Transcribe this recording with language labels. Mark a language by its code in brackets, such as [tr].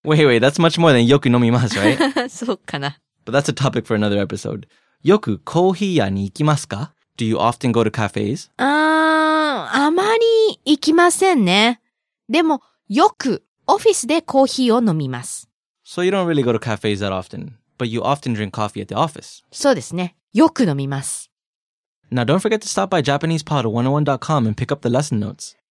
[en] Wait, that's much more than [ja] よく飲みます, [en] right? [ja] そうかな. [en] But that's a topic for another episode. [ja] よくコーヒー屋に行きますか? [en] Do you often go to cafes? [ja] あまり行きませんね. でも、よくオフィスでコーヒーを飲みます. [en] So you don't really go to cafes that often, but you often drink coffee at the office. [ja] そうですね。よく飲みます. [en] Now don't forget to stop by JapanesePod101.com and pick up the lesson notes.